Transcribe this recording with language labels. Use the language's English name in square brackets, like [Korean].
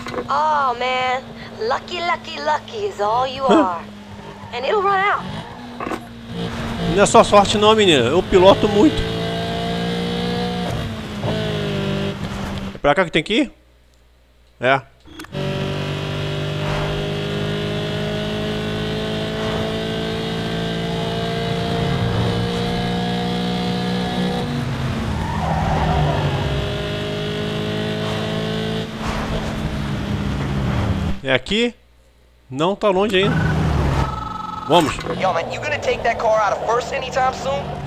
[English] Oh man, lucky, lucky, lucky is all you are. And it'll run out. [Portuguese] Não é só sorte não, menina. Eu piloto muito. É pra cá que tem que ir? É. É aqui, não tá longe ainda. Vamos. [English] Yo, man, you gonna take that car out of first anytime soon?